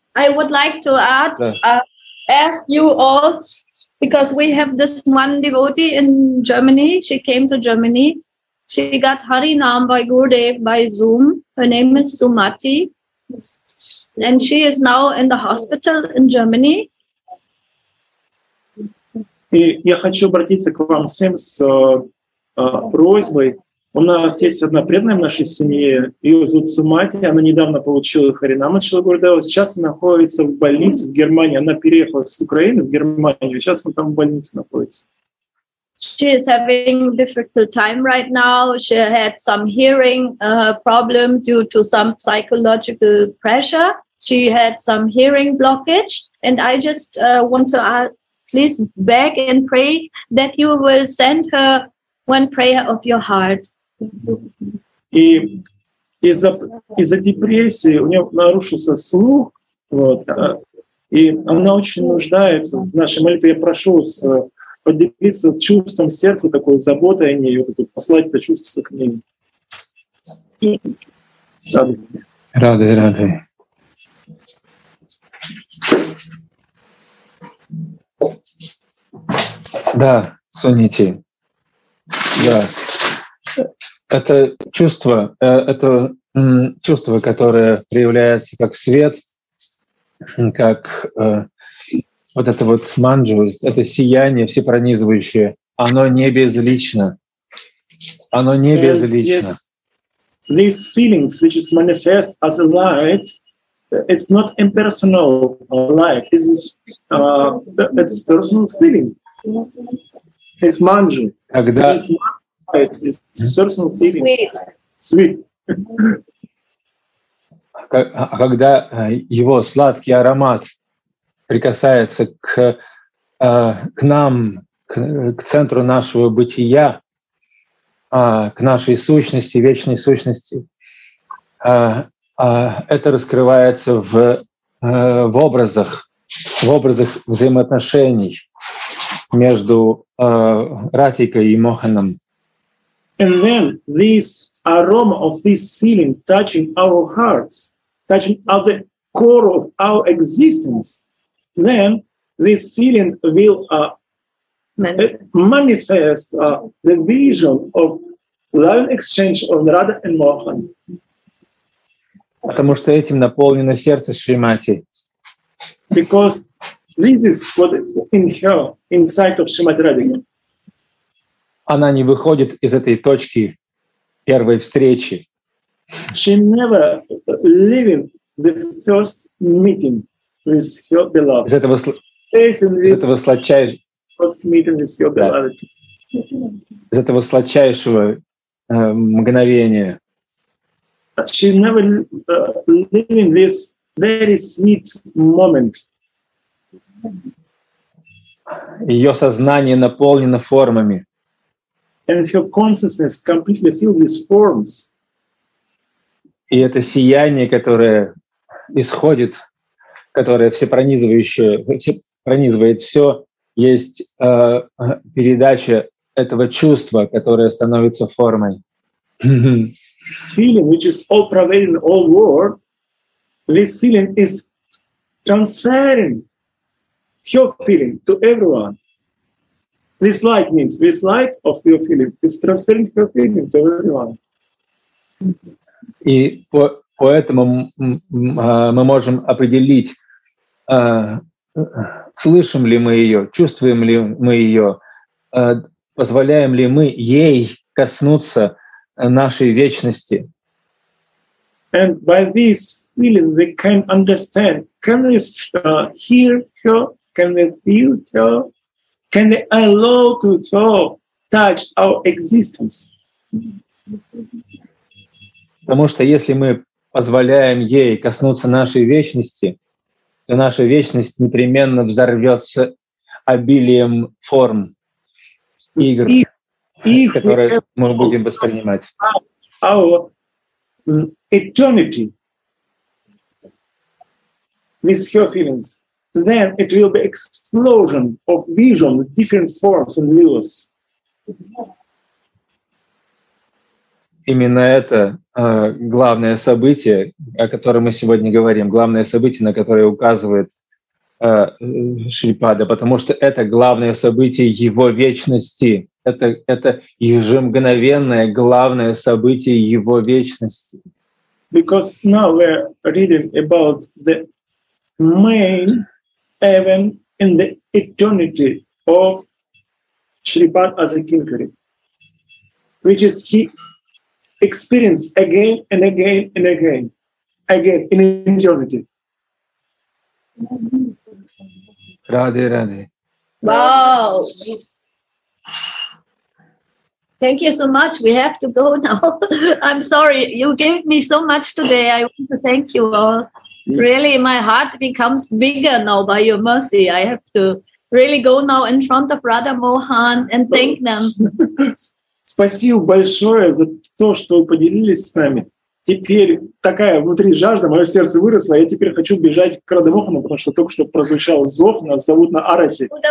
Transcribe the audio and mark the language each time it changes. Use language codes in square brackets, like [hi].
[en] I would like to add, ask you all, because we have this one devotee in Germany. She came to Germany. She got Hari Nam by Gurudev by Zoom. Her name is Sumati, and she is now in the hospital in Germany. [ru] И я хочу обратиться к вам всем с просьбой. У нас есть одна преданная в нашей семье, ее зовут Сумати, она недавно получила Харинама от Шрилы Гурудева, сейчас она находится в больнице в Германии, она переехала с Украины в Германию, сейчас она там в больнице находится. [en] She is having a difficult time right now, she had some hearing problem due to some psychological pressure, she had some hearing blockage, and I just want to please beg and pray that you will send her one prayer of your heart. [ru] И из-за депрессии у нее нарушился слух, вот, и она очень нуждается в нашей молитве. Я прошу поделиться чувством сердца, такой заботой о ней, вот, послать это чувство к ней. Рады. Да, Суньяти. Да, это чувство, которое проявляется как свет, как вот это вот манджу, это сияние всепронизывающее, оно не безлично, оно не безлично. [en] These feelings, which is manifest as a light, it's not impersonal light, this is it's personal feeling. It's manju. [ru] Когда... [en] It's personal feeling. Sweet. Sweet. [ru] Когда его сладкий аромат прикасается к нам, к центру нашего бытия, к нашей сущности, вечной сущности, это раскрывается в образах взаимоотношений между Ратикой и Моханом. [en] And then this aroma of this feeling touching our hearts, touching at the core of our existence, then this feeling will manifest the vision of loving exchange of Radha and Mohan. [ru] Потому что этим наполнено сердце Шримати. [en] Because this is what in her, inside of Shrimati Radhika. [ru] Она не выходит из этой точки первой встречи. [en] She never leaving the first meeting with her beloved. [ru] Из этого сладчайшего мгновения. [en] She never leaving this very sweet moment. [ru] Ее сознание наполнено формами. [en] And her consciousness completely filled with forms. [ru] И это сияние, которое исходит, которое всепронизывающее, пронизывает все, есть передача этого чувства, которое становится формой. [en] This feeling, which is all pervading all world, this feeling is transferring your feeling to everyone. This light means this light of your feeling is transferring your feeling to everyone. [ru] И поэтому мы можем определить, слышим ли мы ее, чувствуем ли мы ее, позволяем ли мы ей коснуться нашей вечности. [en] And by this feeling we can understand, can we hear her, can we feel her, can we allow to her touch our existence? [ru] Потому что если мы позволяем ей коснуться нашей вечности, то наша вечность непременно взорвется обилием форм, игр, которые мы будем воспринимать. [en] Our eternity with her feelings, then it will be explosion of vision, different forms and views. [ru] Именно это главное событие, о котором мы сегодня говорим, главное событие, на которое указывает Шрипада, потому что это главное событие его вечности. Это ежемгновенное главное событие его вечности. [en] Because now we're reading about the main event in the eternity of Shripada as a Kinkari, which is he experience again and again and again, again in eternity. Radhe, Radhe. Wow. Thank you so much. We have to go now. I'm sorry. You gave me so much today. I want to thank you all. Really, my heart becomes bigger now by your mercy. I have to really go now in front of Radha Mohan and thank them. [ru] Спасибо большое за то, что вы поделились с нами. Теперь такая внутри жажда, мое сердце выросло, я теперь хочу бежать к Радхе Мохану, потому что только что прозвучал зов, нас зовут на арати.